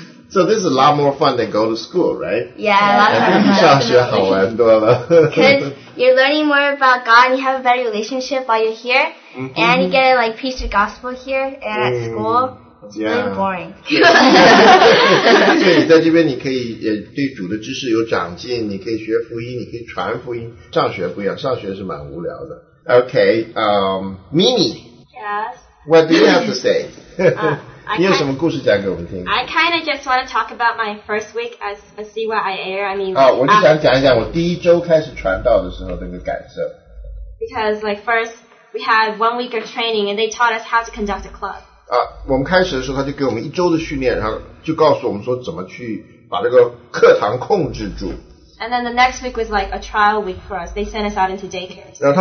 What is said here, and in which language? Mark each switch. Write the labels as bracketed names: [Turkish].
[English] So this is a lot more fun than go to school, right? Yeah, a lot more fun. [Chinese] 上学好玩多了。 [English] Because you're learning more about God and you have a better relationship while you're here. And you get to, like, preach the gospel here and at school. really boring. [Chinese] 所以你在这边你可以也对主的知识有长进, 你可以学福音, 你可以传福音, 上学不一样, 上学是蛮无聊的。 [English] Okay, Mimi. Yes. What do you have to say? [Chinese] 你有什么故事讲给我们听? [English] I kind of just want to talk about my first week as a CYIAer. I mean, [Chinese] 我就想讲一讲我第一周开始传道的时候的那个感受。 [English] Because like first, we had 1 week of training and they taught us how to conduct a club. [Chinese] 我们开始的时候他就给我们一周的训练, 然后就告诉我们说怎么去把这个课堂控制住。 [English] And then the next week was like a trial week for us. They sent us out into daycare.